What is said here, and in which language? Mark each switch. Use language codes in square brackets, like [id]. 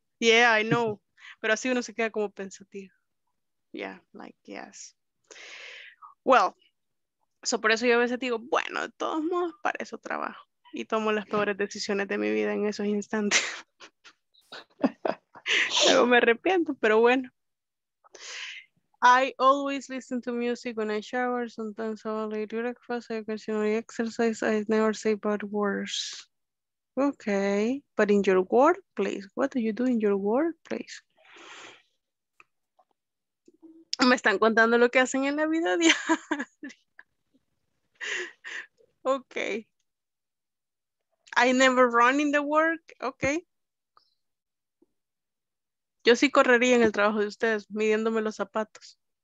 [en] Yeah, I know. [es] Pero así uno se queda como pensativo. [en] Yeah, like, yes. Well, so [es] por eso yo a veces digo, bueno, de todos modos, para eso trabajo. Y tomo las peores decisiones de mi vida en esos instantes. Luego me arrepiento, pero bueno. [en] I always listen to music when I shower. Sometimes I'll eat breakfast. I occasionally exercise. I never say bad words. Okay. But in your workplace, what do you do in your workplace? [es] Me están contando lo que hacen en la vida diaria. [en] Okay. I never run in the work. Okay. [es] Yo sí correría en el trabajo de ustedes, midiéndome los zapatos.